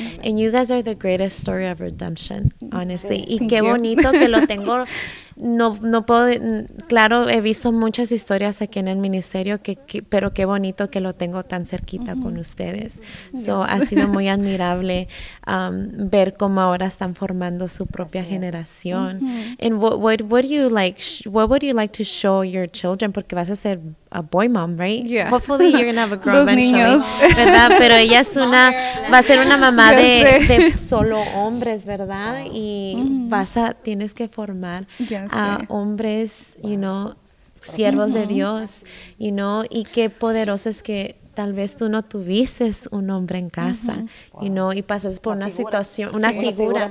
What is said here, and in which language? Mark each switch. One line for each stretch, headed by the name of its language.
English: And you guys are the greatest story of redemption, honestly.
Spanish: Y qué bonito que lo tengo. No puedo, claro, he visto muchas historias aquí en el ministerio, pero qué bonito que lo tengo tan cerquita uh-huh. con ustedes. So, yes. Ha sido muy admirable ver cómo ahora están formando su propia generación. Uh-huh.
English: And what would you like to show your children?
Spanish: Porque vas a ser
English: a boy mom, right? Yeah. Hopefully you're going to have a grown eventually.
Spanish: Niños. ¿Verdad? Pero ella es una, va a ser una mamá de solo hombres, ¿verdad? Wow. Y uh-huh. Tienes que formar.
English: Yeah.
Spanish: A hombres, you know, siervos de Dios, you know, y qué poderoso es que tal vez tú no tuviste un hombre en casa, you know, y pasas por una situación, una figura